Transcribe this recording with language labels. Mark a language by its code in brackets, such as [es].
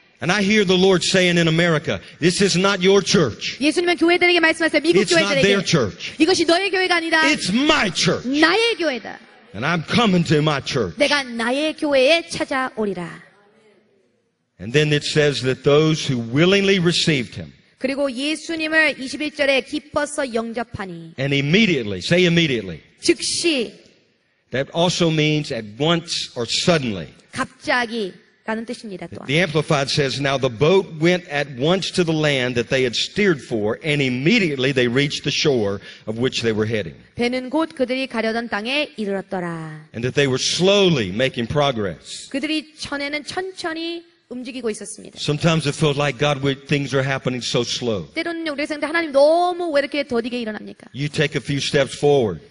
[en] And I hear the Lord saying in America, "This is not your church." [ko] 예수님은 교회들에게 말씀하세요. 미국 [en] It's [ko] 교회들에게. [en] It's not their church. [ko] 이것이 너의 교회가 아니다. [en] It's my church. [ko] 나의 교회다. [en] And I'm coming to my church. [ko] 내가 나의 교회에 찾아오리라. [en] And then it says that those who willingly received Him. [ko] 그리고 예수님을 21절에 기뻐서 영접하니. [en] And immediately, say immediately. [ko] 즉시. [en] That also means at once or suddenly. [ko] 갑자기라는 뜻입니다. 또한. [en] The Amplified says, "Now the boat went at once to the land that they had steered for, and immediately they reached the shore of which they were heading." [ko] 배는 곧 그들이 가려던 땅에 이르렀더라. [en] And that they were slowly making progress. [ko] 그들이 전에는 천천히 움직이고 있었습니다. [en] Sometimes it feels like God, where things are happening so slow. [ko] 때로는 우리 생각에 하나님 너무 왜 이렇게 더디게 일어납니까? [en] You take a few steps forward.